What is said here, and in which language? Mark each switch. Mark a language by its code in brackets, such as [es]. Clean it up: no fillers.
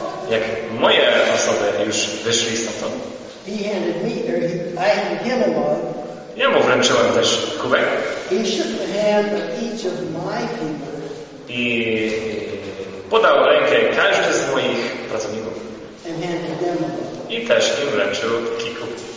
[pl] Jak moje osoby już wyszli stamtąd, [en] he handed me, or he, I handed him a mug. [pl] Ja mu wręczyłem też kubek. [en] He shook the hand of each of my people. [pl] I podał rękę każdy z moich pracowników. [en] And handed them a mug. [pl] I też im wręczył taki kubek.